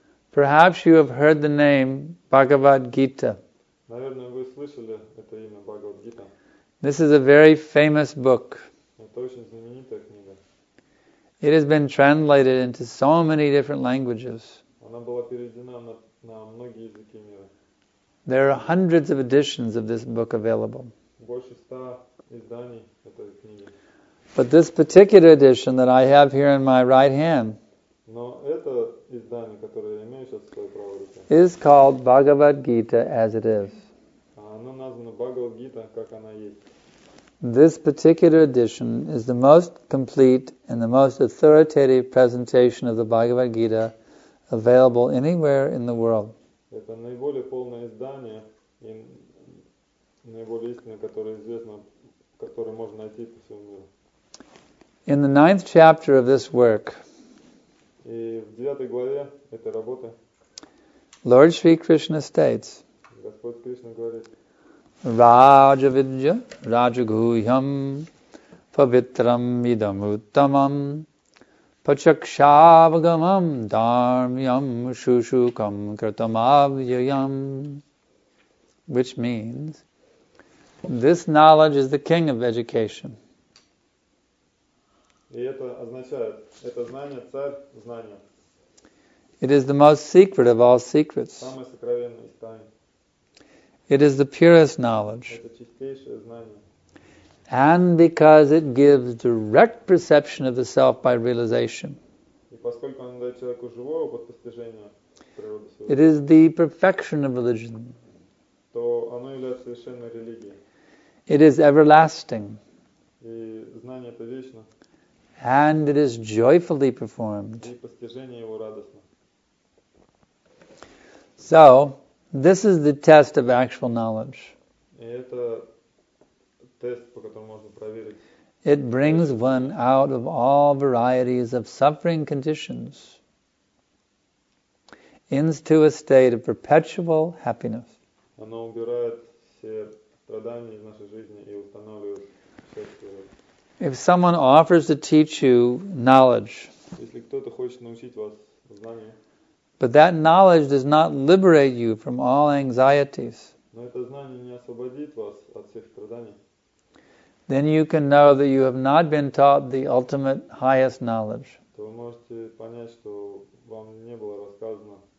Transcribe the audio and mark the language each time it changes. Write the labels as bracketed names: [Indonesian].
[English] Perhaps you have heard the name Bhagavad Gita. [Russian] Наверное, вы слышали это имя Бхагавад Гита. [English] This is a very famous book. [Russian] Это очень знаменитая книга. [English] It has been translated into so many different languages. [Russian] Она была переведена на многие языки мира. [English] There are hundreds of editions of this book available. [Russian] Больше 100 изданий этой книги. [English] But this particular edition that I have here in my right hand, [Russian] но это издание, которое я имею сейчас в своей правой руке, [English] is called Bhagavad Gita as it is. [Russian] Оно названо Bhagavad Gita, как она есть. [English] This particular edition is the most complete and the most authoritative presentation of the Bhagavad Gita available anywhere in the world. [Russian] Это наиболее полное издание и наиболее истинное, которое известно. [English] In the ninth chapter of this work, [Russian] и в девятой главе этой работы, [English] Lord Sri Krishna states, [Russian] Господь Кришна говорит, [Sanskrit] Raja Vidya Raja Guhyam Pavitram Idam Uttamam Pachakshavagamam Dharmyam Shushukam Kirtamavyayam, [English] which means, this knowledge is the king of education. [Russian] И это означает, это знание, царь знания. [English] It is the most secret of all secrets. [Russian] Самое сокровенное из тайн. [English] It is the purest knowledge. [Russian] Это чистейшее знание. [English] And because it gives direct perception of the self by realization. [Russian] И поскольку оно дает человеку живое опыт постижения природы своей. [English] It is the perfection of religion. [Russian] То оно является совершенной религией. [English] It is everlasting. [Russian] И знание это вечно. [English] And it is joyfully performed. [Russian] И постижение его радостно. [English] So, This is the test of actual knowledge. It brings one out of all varieties of suffering conditions into a state of perpetual happiness. [Russian] Оно убирает все страдания из нашей жизни и устанавливает счастье. [English] If someone offers to teach you knowledge, [Russian] если кто-то хочет научить вас знания, [English] but that knowledge does not liberate you from all anxieties, [Russian] но это знание не освободит вас от всех страданий, [English] then you can know that you have not been taught the ultimate highest knowledge. [Russian] То вы можете понять, что вам не было рассказано.